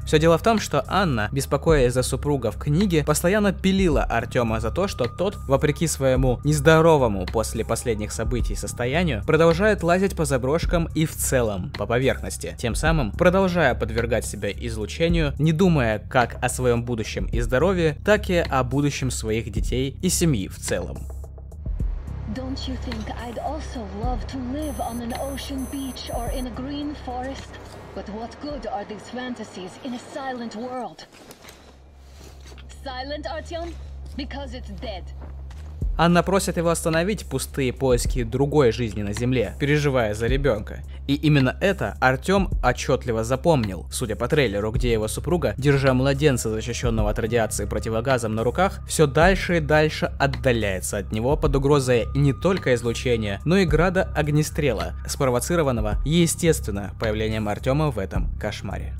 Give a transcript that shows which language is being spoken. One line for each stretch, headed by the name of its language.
Russian: Все дело в том, что Анна, беспокоясь за супруга в книге, постоянно пилила Артема за то, что тот, вопреки своему нездоровому после последних событий состоянию, продолжает лазить по заброшкам и в целом по поверхности, тем самым продолжая подвергать себя излучению, не думая как о своем будущем и здоровье, так и о будущем своих детей и семьи в целом.
English: Don't you think I'd also love to live on an ocean beach or in a green forest? But what good are these fantasies in a silent world? Silent, Artyom? Because it's dead.
Russian: Анна просит его остановить пустые поиски другой жизни на Земле, переживая за ребенка. И именно это Артем отчетливо запомнил, судя по трейлеру, где его супруга, держа младенца, защищенного от радиации противогазом на руках, все дальше и дальше отдаляется от него под угрозой не только излучения, но и града огнестрела, спровоцированного, естественно, появлением Артема в этом кошмаре.